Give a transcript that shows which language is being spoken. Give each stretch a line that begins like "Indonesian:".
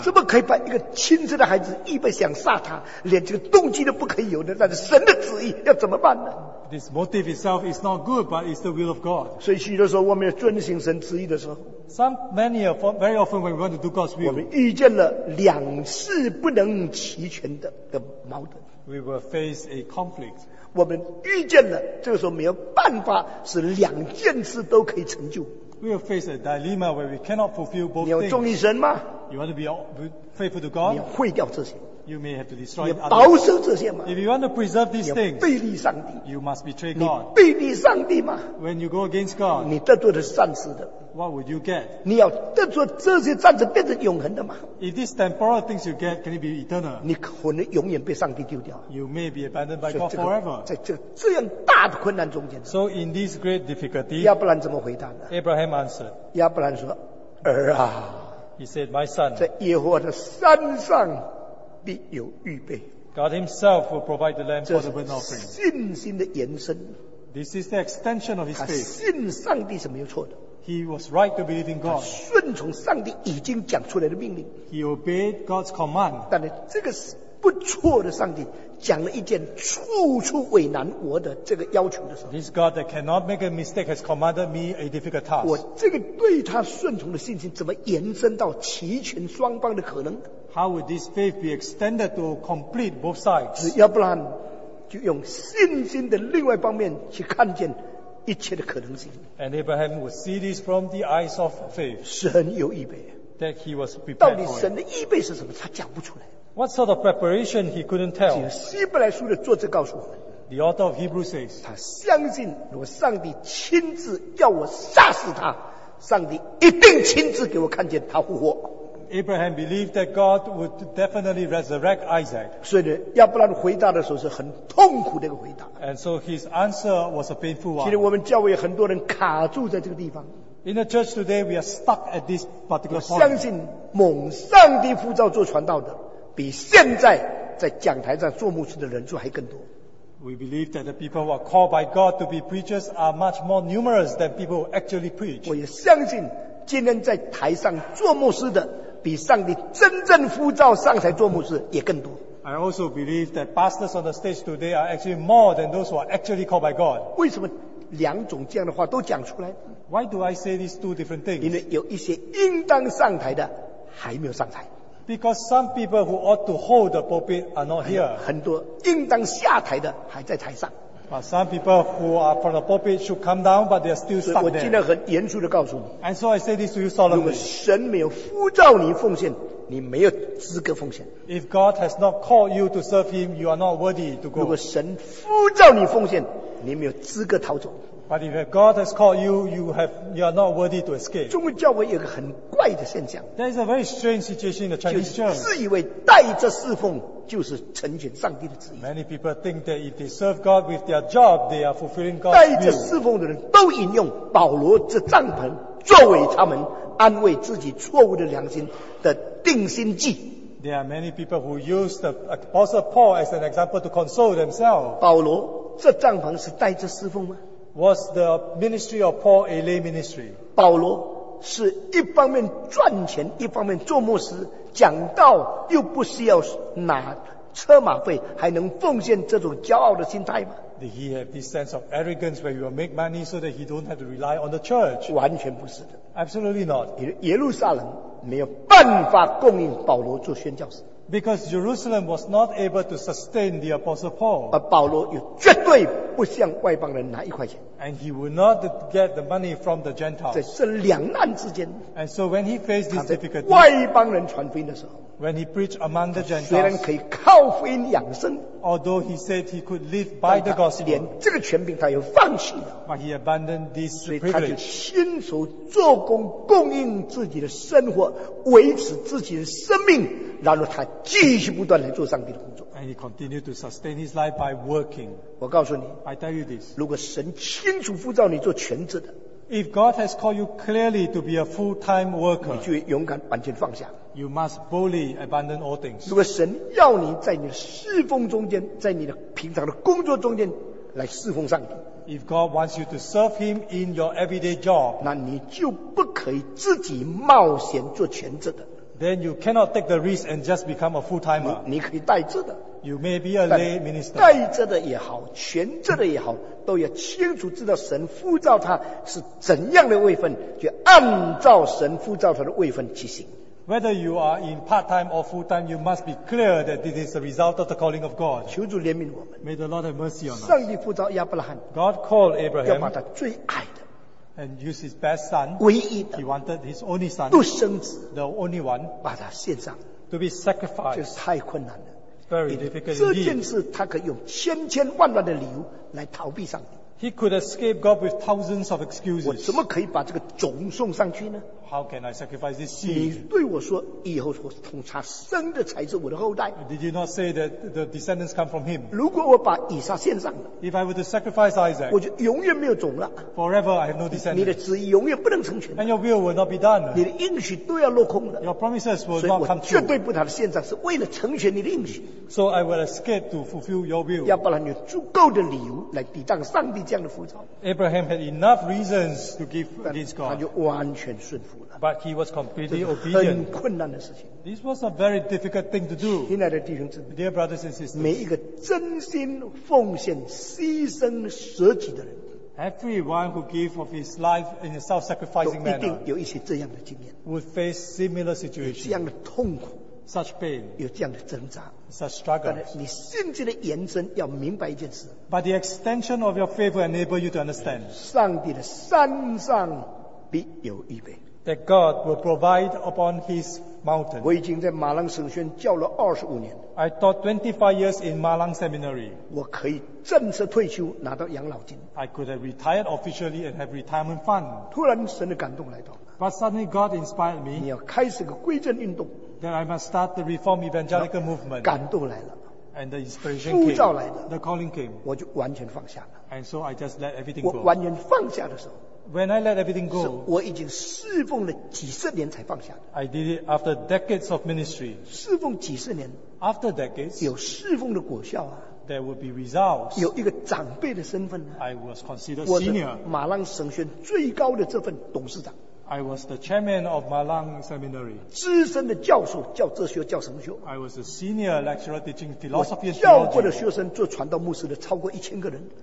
Chinese: 怎么可以把一个亲生的孩子一辈想杀他，连这个动机都不可以有的，那是神的旨意，要怎么办呢？
English: This motive itself is not good, but it's the will of God.
Chinese: 所以许多时候我们要遵行神旨意的时候，
English: very often when we want to do God's will,
Chinese: 我们遇见了两事不能齐全的矛盾。
English: We will face a conflict.
Chinese: 我们遇见了，这个时候没有办法使两件事都可以成就。
English: We will face a dilemma where we cannot fulfill both things.
Chinese: 你要忠于神吗？
English: You want to be faithful to God?
Chinese: 你要毁掉这些。
English: You may have to destroy others.
Chinese: 你保守这些吗？
English: If you want to preserve these things,
Chinese: 你背离上帝。
English: You must betray God.
Chinese: 你背离上帝吗？
English: When you go against God,
Chinese: 你得罪的是暂时的。
English: What would you get?
Chinese: 你要得罪这些暂时变成永恒的吗？
English: If these temporal things you get, can it be eternal?
Chinese: 你可能永远被上帝丢掉。
English: You may be abandoned by God forever.
Chinese: 在这样大的困难中间。
English: So in this great difficulty,
Chinese: 亚伯兰怎么回答呢？
English: Abraham answered.
Chinese: 亚伯兰说，儿啊。
English: He said, my son.
Chinese: 在耶和华的山上。必有预备。
English: God Himself will provide the lamb for the burnt offering.
Chinese: 信心的延伸。
English: This is the extension of his faith.
Chinese: 他信上帝是没有错的。
English: He was right to believe in God.
Chinese: 他顺从上帝已经讲出来的命令。
English: He obeyed God's command.
Chinese: 但是这个不错的上帝讲了一件处处为难我的这个要求的时候。
English: This God that cannot make a mistake has commanded me a difficult task.
Chinese: 我这个对他顺从的信心怎么延伸到齐全双方的可能？
English: How would this faith be extended to complete both sides?
Chinese: 要不然就用信心的另外一方面去看见一切的可能性。
English: And Abraham would see this from the eyes of faith.
Chinese: 神有预备。
English: That he was prepared.
Chinese: 到底神的预备是什么？他讲不出来。
English: What sort of preparation he couldn't tell?
Chinese: 希伯来书的作者告诉我们。
English: The author of Hebrews says.
Chinese: 他相信如果上帝亲自要我杀死他，上帝一定亲自给我看见他复活。
English: Abraham believed that God would definitely resurrect Isaac.
Chinese: 所以亚伯兰回答的时候是很痛苦的一个回答。
English: And so his answer was a painful one.
Chinese: 其实我们教会很多人卡住在这个地方。
English: In the church today, we are stuck at this particular point.
Chinese: 我相信蒙上帝呼召做传道的，比现在在讲台上做牧师的人数还更多。
English: We believe that the people who are called by God to be preachers are much more numerous than people who actually preach.
Chinese: 我也相信今天在台上做牧师的。比上帝真正呼召上台做牧师也更多。
English: I also believe that pastors on the stage today are actually more than those who are actually called by God.
Chinese: 为什么两种这样的话都讲出来？
English: Why do I say these two different things?
Chinese: 因为有一些应当上台的还没有上台。
English: Because some people who ought to hold the pulpit are not here.
Chinese: 很多应当下台的还在台上。
English: But some people who are from the pulpit should come down, but they are still stuck there.
Chinese: 我今天很严肃地告诉你。
English: And so I say this to you solemnly.
Chinese: 如果神没有呼召你奉献，你没有资格奉献。
English: If God has not called you to serve Him, you are not worthy to go.
Chinese: 如果神呼召你奉献，你没有资格逃走。
English: But if God has called you, you are not worthy to escape.
Chinese: 中国教会有个很怪的现象。
English: There is a very strange situation in the Chinese church.
Chinese: 就是自以为带着侍奉。就是成全上帝的旨意。
English: Many people think that if they serve God with their job, they are fulfilling God's
Chinese: will. 带着侍奉的人都引用保罗这帐篷作为他们安慰自己错误的良心的定心剂。
English: There are many people who use the Apostle Paul as an example to console themselves.
Chinese: 保罗这帐篷是带着侍奉吗？
English: Was the ministry of Paul a lay ministry?
Chinese: 保罗是一方面赚钱，一方面做牧师。讲道又不需要拿车马费，还能奉献这种骄傲的心态吗？
English: Did he have this sense of arrogance where he will make money so that he don't have to rely on the church?
Chinese: 完全不是的。
English: Absolutely not.
Chinese: 耶路撒冷没有办法供应保罗做宣教士。
English: Because Jerusalem was not able to sustain the Apostle Paul.
Chinese: 而保罗又绝对不向外邦人拿一块钱。
English: And he would not get the money from the Gentiles.
Chinese: 在这两难之间。
English: And so when he faced this difficulty,
Chinese: 外邦人传福音的时候。
English: When he preached among the Gentiles,
Chinese: 虽然可以靠福音养生,
English: although he said he could live by the gospel,
Chinese: 连这个权柄他又放弃了,
English: but he abandoned this privilege.
Chinese: 所以他就亲手做工供应自己的生活维持自己的生命然后他继续不断来做上帝的工作。
English: And he continued to sustain his life by working.
Chinese: 我告诉你,
English: I tell you this,
Chinese: 如果神清楚呼召你做全职的,
English: if God has called you clearly to be a full-time worker,
Chinese: 你就勇敢完全放下。
English: You must boldly abandon all things.
Chinese: 如果神要你在你的侍奉中间，在你的平常的工作中间来侍奉上帝。
English: If God wants you to serve Him in your everyday job,
Chinese: 那你就不可以自己冒险做全职的。
English: Then you cannot take the risk and just become a full-timer.
Chinese: 你可以代职的。
English: You may be a lay minister.
Chinese: 代职的也好，全职的也好，都要清楚知道神呼召他是怎样的位分，就按照神呼召他的位分去行。
English: Whether you are in part-time or full-time, you must be clear that this is the result of the calling of God.
Chinese: 求主怜悯我们。
English: May the Lord have mercy on us.
Chinese: 上帝呼召亚伯拉罕。
English: God called Abraham.
Chinese: 要把他最爱的。
English: And use his best son.
Chinese: 唯一的。
English: He wanted his only son.
Chinese: 独生子。
English: The only one.
Chinese: 把他献上。
English: To be sacrificed.
Chinese: 就是太困难了。
English: Very difficult indeed.
Chinese: 这件事他可以用千千万万的理由来逃避上帝。
English: He could escape God with thousands of excuses.
Chinese: 我怎么可以把这个种送上去呢？
English: How can I sacrifice this seed?
Chinese: 你对我说以后我从他生的才是我的后代。
English: Did you not say that the descendants come from him?
Chinese: 如果我把以撒献上了。
English: If I were to sacrifice Isaac.
Chinese: 我就永远没有种了。
English: Forever I have no descendants.
Chinese: 你的旨意永远不能成全。
English: And your will will not be done.
Chinese: 你的应许都要落空的。
English: Your promises will not come true.
Chinese: 所以我绝对不把它献上是为了成全你的应许。
English: So I will escape to fulfill your will.
Chinese: 亚伯拉罕有足够的理由来抵挡上帝这样的呼召。
English: Abraham had enough reasons to give against God.
Chinese: 他就完全顺服。
English: But he was completely obedient.
Chinese: 很困难的事情。
English: This was a very difficult thing to do.
Chinese: 亲爱的弟兄姊妹。
English: Dear brothers and sisters.
Chinese: 每一个真心奉献牺牲舍己的人。
English: Everyone who gave of his life in a self-sacrificing manner.
Chinese: 都一定有一些这样的经验。
English: Would face similar situations.
Chinese: 有这样的痛苦。
English: Such pain.
Chinese: 有这样的挣扎。
English: Such struggles.
Chinese: 但你信心的延伸要明白一件事。
English: But the extension of your faith will enable you to understand.
Chinese: 上帝的山上必有预备。
English: That God will provide upon His mountain.
Chinese: 我已经在马朗神学院教了25年。
English: I taught 25 years in Malang Seminary.
Chinese: 我可以正式退休拿到养老金。
English: I could have retired officially and have retirement fund.
Chinese: 突然神的感动来到。
English: But suddenly God inspired me.
Chinese: 你要开始个归正运动。
English: That I must start the Reform Evangelical Movement.
Chinese: 感动来了。
English: And the inspiration came.
Chinese: 呼召来了。
English: The calling came.
Chinese: 我就完全放下了。
English: And so I just let everything go.
Chinese: 我完全放下的时候。
English: When I let everything go,
Chinese: 是我已经侍奉了几十年才放下的。
English: I did it after decades of ministry.
Chinese: 侍奉几十年。
English: After decades,
Chinese: 有侍奉的果效啊。
English: There will be results.
Chinese: 有一个长辈的身份
English: 啊。I was considered senior.
Chinese: 我是马浪神学最高的这份董事长。
English: I was the chairman of Malang Seminary.
Chinese: 资深的教授教哲学教神学。
English: I was a senior lecturer teaching philosophy and
Chinese: theology. 我教过的学生做传道牧师的超过1000个人。